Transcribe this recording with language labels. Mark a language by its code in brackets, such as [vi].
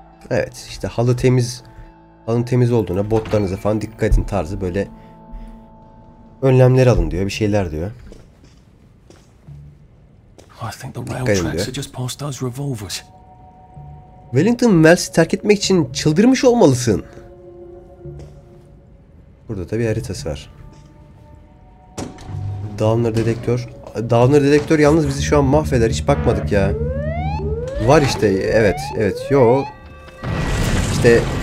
[tr] Evet, işte halın temiz olduğuna, botlarınıza falan dikkat edin tarzı böyle önlemler alın diyor, bir şeyler diyor. [en] I think the rail tracks are just past those revolvers. [tr] Wellington Mills'i terk etmek için çıldırmış olmalısın. Burada da bir haritası var. Downer dedektör yalnız bizi şu an mahveder. Hiç bakmadık ya. Var işte. Evet. Evet. Yo. İşte.